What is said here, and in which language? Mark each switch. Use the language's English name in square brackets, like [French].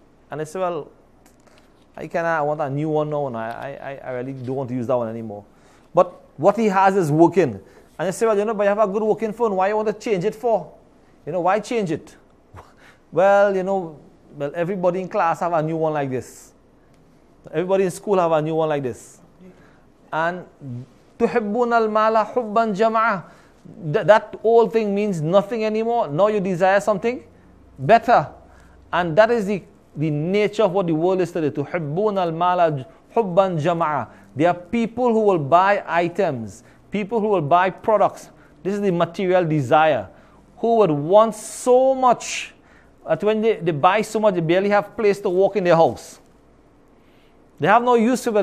[English] And they say, well, I want a new one now. And I really don't want to use that one anymore. But what he has is working. And you say, well, you know, but you have a good working phone. Why you want to change it for? You know, why change it? Well, everybody in class have a new one like this. Everybody in school have a new one like this. And [Arabic] تُحِبُّونَ الْمَالَ حُبًّا جَمَعًا. [English] That old thing means nothing anymore. Now you desire something better. And that is the nature of what the world is today. [Arabic] تُحِبُّونَ الْمَالَ حُبًّا جَمَعًا. [English] There are people who will buy items. People who will buy products. This is the material desire. Who would want so much that when they buy so much, they barely have place to walk in their house. They have no use for it.